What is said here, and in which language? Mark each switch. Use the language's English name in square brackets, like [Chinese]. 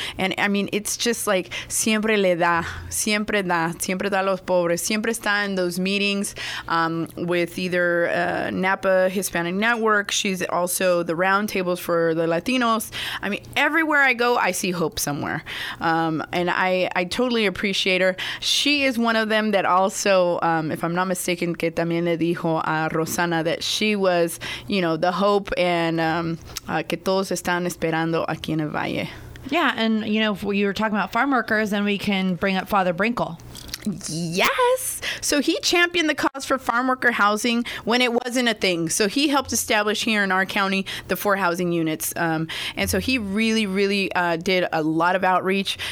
[English] And I mean, it's just like [Spanish] siempre le da, siempre da, siempre da los pobres, siempre está [English] in those meetings with either Napa Hispanic Network. She's also the round tables for the Latinos. I mean, everywhere I go, I see hope somewhere. And I totally appreciate her. She is one of them that also, if I'm not mistaken, [Spanish] que también le dijo a Rosana [English] that she was, you know, the hope and [Spanish] que todos están esperando aquí en el Valle. [English] Yeah, and you know, if you were talking about farm workers, then we can bring up Father Brinkle. Yes. So he championed the cause for farm worker housing when it wasn't a thing. So he helped establish here in our county the 4 housing units. And so he really, really did a lot of outreach.